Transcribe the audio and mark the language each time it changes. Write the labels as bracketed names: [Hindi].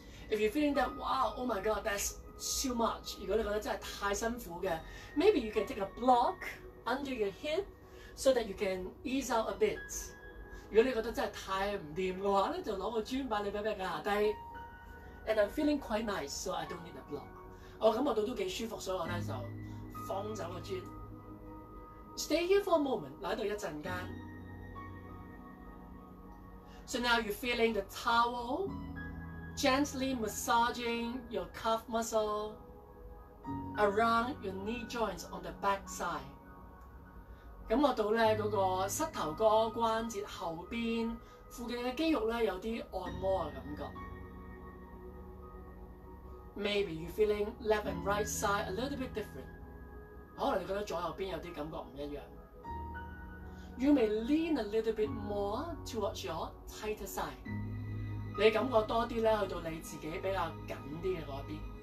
[English] If you feeling that, wow, oh my god, that's too much。 [Cantonese] 如果你覺得真係太辛苦嘅， [English] maybe you can take a block under your hip so that you can ease out a bit。 [Cantonese] 如果你覺得真係太唔掂嘅話咧，就攞個磚把你俾架下低。 [English] And I'm feeling quite nice, so I don't need a block。 [Cantonese] 我感覺到都幾舒服，所以我咧就放走個磚。 [English] Stay here for a moment， [Cantonese] 喺度一陣間。 [English] So now you're feeling the towel gently massaging your calf muscle around your knee joints on the back side。 [Cantonese] 感覺到咧嗰個膝頭哥關節後邊附近嘅肌肉咧有啲按摩嘅感覺。 [English] Maybe you feeling left and right side a little bit different。 [Cantonese] 可能你覺得左右邊有啲感覺唔一樣。 [English] You may lean a little bit more towards your tighter side。 [Cantonese] 你感覺多啲咧，去到你自己比較緊啲嘅嗰邊。